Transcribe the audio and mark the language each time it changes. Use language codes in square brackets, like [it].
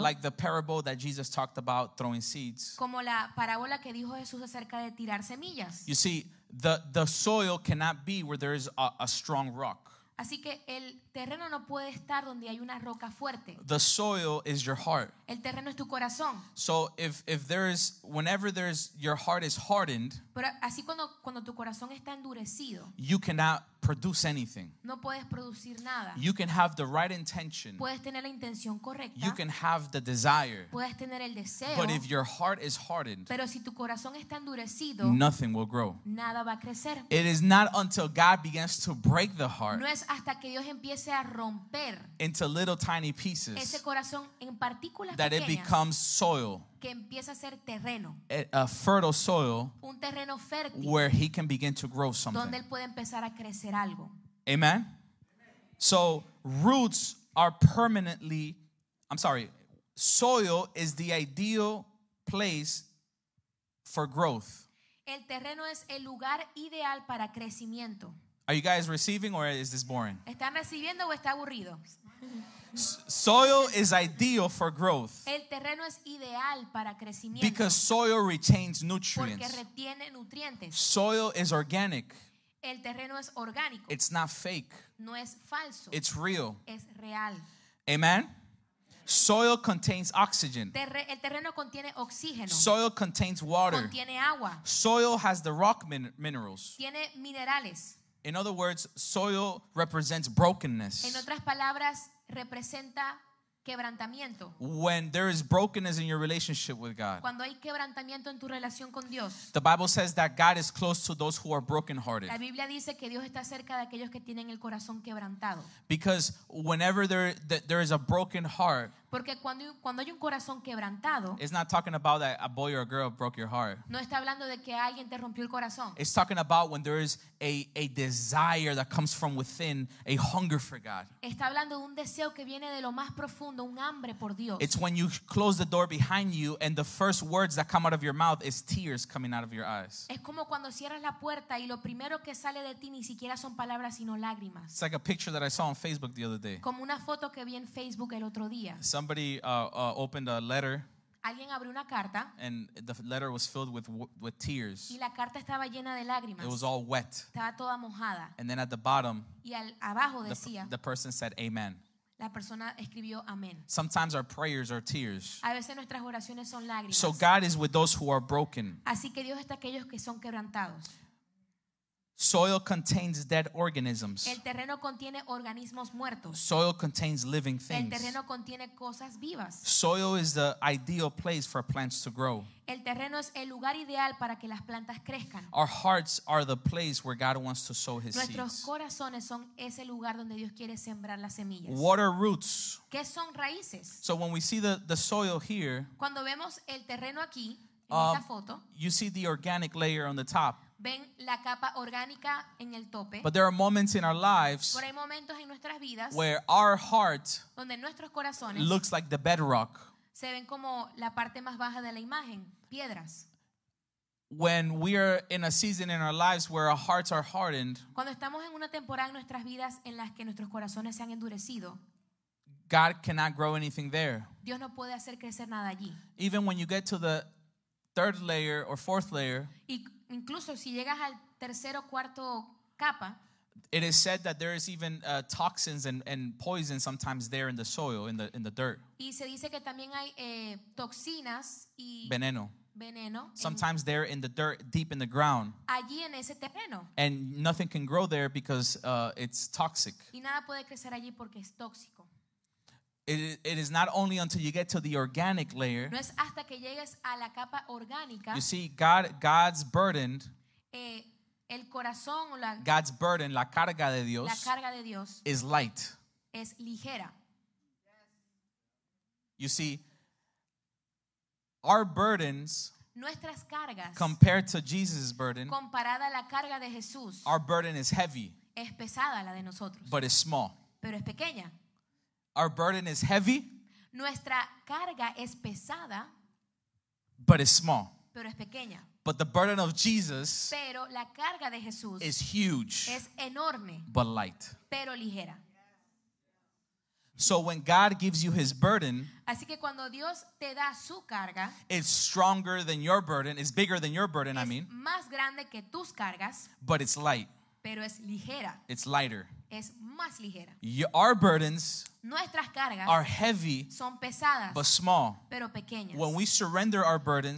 [en] Like the parable that Jesus talked about throwing seeds. [es] Como la parábola que dijo Jesús acerca de tirar semillas. [en] You see, the soil cannot be where there is a strong rock. [es] Así que el terreno no puede estar donde hay una roca fuerte. [en] The soil is your heart. [es] El terreno es tu corazón. [en] So if there is, whenever there is, your heart is hardened. [es] Pero así cuando tu corazón está endurecido. [en] You cannot produce anything. [es] No puedes producir nada. [en] You can have the right intention. [es] Puedes tener la intención correcta. [en] You can have the desire. [es] Puedes tener el deseo. [en] But if your heart is hardened. [es] Pero si tu corazón está endurecido. [en] Nothing will grow. [es] Nada va a crecer. [en] It is not until God begins to break the heart. [es] No es hasta que Dios empiece a romper. [en] Into little tiny pieces. [es] Ese corazón en partículas [en] that That it becomes soil. [es] Que empieza a ser terreno. [en] A fertile soil. [es] Un terreno fértil. [en] Where he can begin to grow something. [es] Donde él puede empezar a crecer algo. [en] Amen. So roots are permanently. I'm sorry. Soil is the ideal place for growth. [es] El terreno es el lugar ideal para crecimiento. [en] Are you guys receiving or is this boring? [es] ¿Están recibiendo o está aburrido? [en] Soil is ideal for growth. [es] El terreno es ideal para crecimiento. [en] Because soil retains nutrients. [es] Porque retiene nutrientes. [en] Soil is organic. [es] El terreno es orgánico. [en] It's not fake. [es] No es falso. [en] It's real. [es] Es real. [en] Amen. Soil contains oxygen. [es] El terreno contiene oxígeno. [en] Soil contains water. [es] Contiene agua. [en] Soil has the rock minerals. [es] Tiene minerales. [en] In other words, soil represents brokenness. [es] En otras palabras, representa quebrantamiento. [en] When there is brokenness in your relationship with God. [es] Cuando hay quebrantamiento en tu relación con Dios. [en] The Bible says that God is close to those who are brokenhearted. [es] La Biblia dice que Dios está cerca de aquellos que tienen el corazón quebrantado. [en] Because whenever there is a broken heart. [es] Porque cuando hay un corazón quebrantado. [en] It's not talking about that a boy or a girl broke your heart. [es] No está hablando de que alguien te rompió el corazón. [en] It's talking about when there is a desire that comes from within, a hunger for God. [es] Está hablando de un deseo que viene de lo más profundo, un hambre por Dios. [en] It's when you close the door behind you and the first words that come out of your mouth is tears coming out of your eyes. [es] Es como cuando cierras la puerta y lo primero que sale de ti ni siquiera son palabras sino lágrimas. [en] It's like a picture that I saw on Facebook the other day. [es] Como una foto que vi en Facebook el otro día. [en] Somebody opened a letter. [es] Alguien abrió una carta. [en] And the letter was filled with tears. [es] Y la carta estaba llena de lágrimas. [en] It was all wet. [es] Estaba toda mojada. [en] And then at the bottom, [es] y al, abajo decía, [en] the person said amen. [es] La persona escribió amén. [en] Sometimes our prayers are tears. [es] A veces nuestras oraciones son lágrimas. [en] So God is with those who are broken. [es] Así que Dios está aquellos que son quebrantados. [en] Soil contains dead organisms. [es] El terreno contiene organismos muertos. [en] Soil contains living things. [es] El terreno contiene cosas vivas. [en] Soil is the ideal place for plants to grow. [es] El terreno es el lugar ideal para que las plantas crezcan. [en] Our hearts are the place where God wants to sow his [es] Nuestros [en] seeds. [es] Corazones son ese lugar donde Dios quiere sembrar las semillas. [en] What are roots? [es] ¿Qué son raíces? [en] So when we see the soil here, [es] cuando vemos el terreno aquí, esta foto, [en] you see the organic layer on the top. [es] Ven la capa orgánica en el tope. [en] But there are moments in our lives where our heart [es] donde nuestros corazones [en] looks like the bedrock. [es] Se ven como la parte más baja de la imagen, piedras. [en] When we are in a season in our lives where our hearts are hardened, [es] cuando estamos en una temporada en nuestras vidas en las que nuestros corazones se han endurecido, [en] God cannot grow anything there. [es] Dios no puede hacer crecer nada allí. [en] Even when you get to the third layer or fourth layer, [es] incluso si llegas al tercero cuarto capa, [en] it is said that there is even toxins and poison sometimes there in the soil, in the dirt. [es] Y se dice que también hay toxinas y [en] veneno sometimes there in the dirt, deep in the ground. [es] Allí en ese terreno. [en] And nothing can grow there because it's toxic. [es] Y nada puede crecer allí porque es tóxico. [en] It is not only until you get to the organic layer. [es] No es hasta que llegues a la capa orgánica. [en] You see, God's burden. [es] El corazón o la. [en] God's burden, [es] la carga de Dios. La carga de Dios. [en] Is light. [es] Es ligera. [en] You see, our burdens. [es] Nuestras cargas. [en] Compared to Jesus' burden. [es] Comparada a la carga de Jesús. [en] Our burden is heavy. [es] Es pesada la de nosotros. [en] But it's small. [es] Pero es pequeña. [en] Our burden is heavy. [es] Nuestra carga es pesada. [en] But it's small. [es] Pero es pequeña. [en] But the burden of Jesus. [es] Pero la carga de Jesús [en] is huge. [es] Es enorme. [en] But light. [es] Pero ligera. [en] So when God gives you his burden, [es] así que cuando Dios te da su carga, [en] it's stronger than your burden, it's bigger than your burden, [es] es [en] I mean. [es] Más grande que tus cargas. [en] But it's light. [es] Pero es ligera. [en] It's lighter. [es] Es más ligera. [en] Our burdens, [es] nuestras cargas, [en] are heavy, [es] son pesadas, [en] but small. [es] Pero pequeñas. [en] When we surrender our burdens,